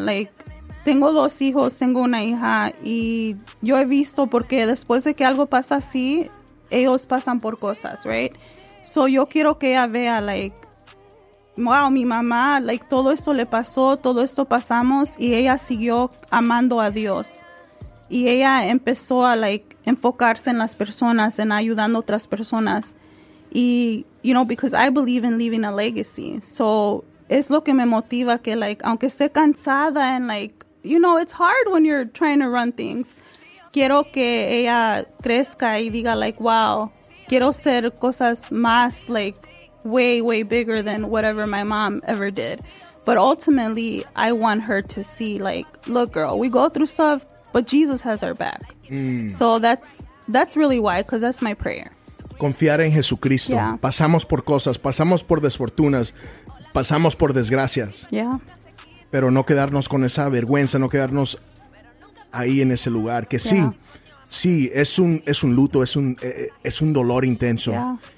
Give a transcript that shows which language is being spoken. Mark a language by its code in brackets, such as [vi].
[es] Like, tengo dos hijos, tengo una hija, y yo he visto porque después de que algo pasa así, ellos pasan por cosas, right? So yo quiero que ella vea, like, wow, mi mamá, like, todo esto le pasó, todo esto pasamos, y ella siguió amando a Dios. Y ella empezó a, like, enfocarse en las personas, en ayudando a otras personas. [en] Y, you know, because I believe in leaving a legacy. So, [es] es lo que me motiva, que, like, aunque esté cansada [en] and, like, you know, it's hard when you're trying to run things. [es] Quiero que ella crezca y diga, like, wow, quiero hacer cosas más, like, [en] way, way bigger than whatever my mom ever did. But ultimately, I want her to see, like, look, girl, we go through stuff, but Jesus has our back. So that's really why, because that's my prayer. [es] Confiar en Jesucristo. [en] Yeah. [es] Pasamos por cosas, pasamos por desfortunas, pasamos por desgracias. [en] Yeah. [es] Pero no quedarnos con esa vergüenza, no quedarnos ahí en ese lugar. Que sí, sí, es un luto, es un dolor intenso. [en] Yeah.